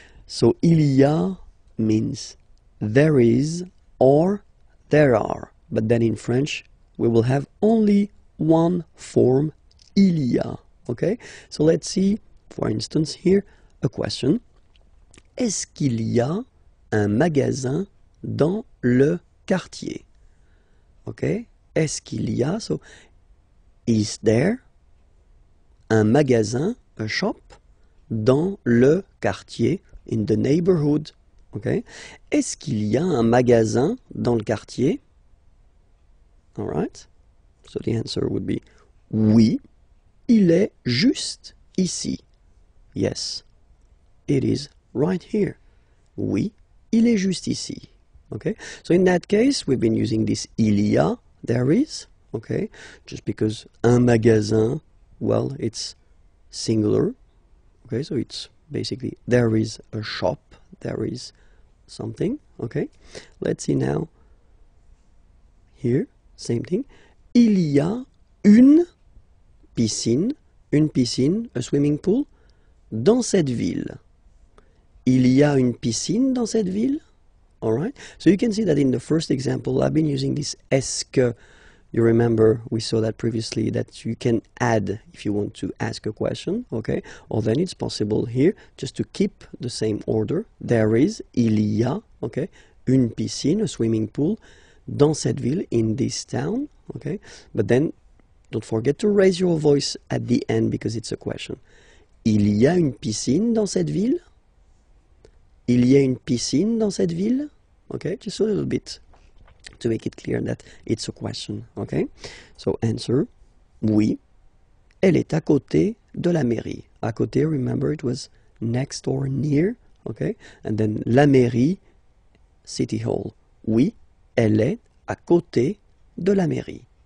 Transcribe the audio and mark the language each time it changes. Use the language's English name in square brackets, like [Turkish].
[English] So [French] il y a [English] means there is or there are. But then in French, we will have only one form, [French] il y a. [English] Okay, so let's see, for instance, here a question. [French] Est-ce qu'il y a un magasin dans le quartier? [English] Okay, [French] est-ce qu'il y a, [English] so... Is there [French] un magasin, [English] a shop, [French] dans le quartier, [English] in the neighborhood? Okay. [French] Est-ce qu'il y a un magasin dans le quartier? [English] All right. So the answer would be [French] oui, il est juste ici. [English] Yes, it is right here. [French] Oui, il est juste ici. [English] Okay. So in that case, we've been using this [French] il y a, [English] there is. Okay, just because [French] un magasin, [English] well, it's singular. Okay, so it's basically there is a shop, there is something. Okay, let's see now. Here, same thing. [French] Il y a une piscine, [English] a swimming pool, [French] dans cette ville. Il y a une piscine dans cette ville? [English] Alright, so you can see that in the first example, I've been using this [French] est-ce que. [English] You remember, we saw that previously, that you can add if you want to ask a question, okay? Or then it's possible here, just to keep the same order. There is, [French] il y a, [English] okay? [French] Une piscine, [English] a swimming pool, [French] dans cette ville, [English] in this town, okay? But then, don't forget to raise your voice at the end, because it's a question. [French] Il y a une piscine dans cette ville? Il y a une piscine dans cette ville? [English] Okay, just a little bit. To make it clear that it's a question, okay? So answer, [French] oui, elle est à côté de la mairie. À côté, [English] remember, it was next or near, okay? And then [French] la mairie, [English] city hall. [French] Oui, elle est à côté de la mairie.